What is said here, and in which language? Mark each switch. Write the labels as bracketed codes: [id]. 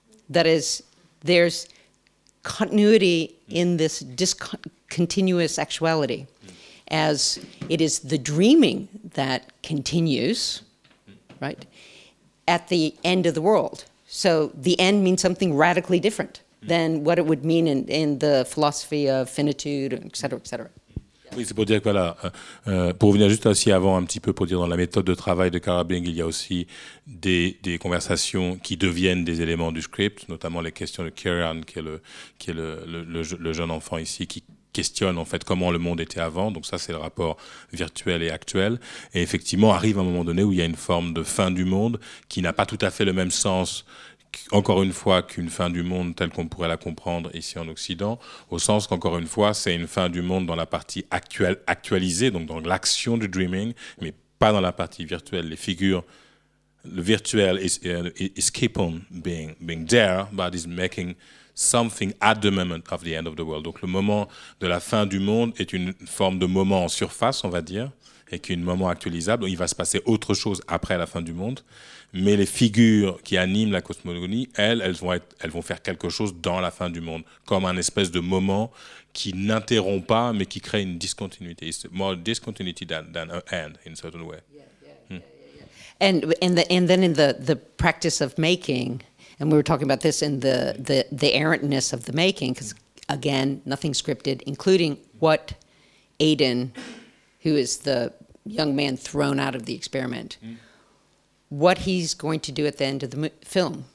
[en] That is, there's continuity in this discontinuous actuality, as it is the dreaming that continues, right? At the end of the world. So the end means something radically different than what it would mean in the philosophy of finitude, et cetera, et cetera. [fr] Oui, c'est pour dire que voilà, pour revenir juste aussi avant un petit peu, pour dire dans la méthode de travail de Carabing, il y a aussi des conversations qui deviennent des éléments du script, notamment les questions de Kieran, qui est le jeune enfant ici, qui questionne en fait comment le monde était avant. Donc ça, c'est le rapport virtuel et actuel. Et effectivement, arrive un moment donné où il y a une forme de fin du monde qui n'a pas tout à fait le même sens, encore une fois, qu'une fin du monde telle qu'on pourrait la comprendre ici en Occident, au sens qu'encore une fois, c'est une fin du monde dans la partie actualisée, donc dans l'action du dreaming, mais pas dans la partie virtuelle. Les figures, le virtuel [en] is keep on being there, but is making something at the moment of the end of the world. [fr] Donc le moment de la fin du monde est une forme de moment en surface, on va dire, et qui est un moment actualisable. Donc, il va se passer autre chose après la fin du monde. Mais les figures qui animent la cosmogonie, elles vont faire quelque chose dans la fin du monde, comme un espèce de moment qui n'interrompt pas, mais qui crée une discontinuité. [en] It's more discontinuity than an end, in a certain way. And then in the practice of making, and we were talking about this in the errantness of the making, because again, nothing scripted, including what Aiden, who is the young man thrown out of the experiment, what he's going to do at the end of the film.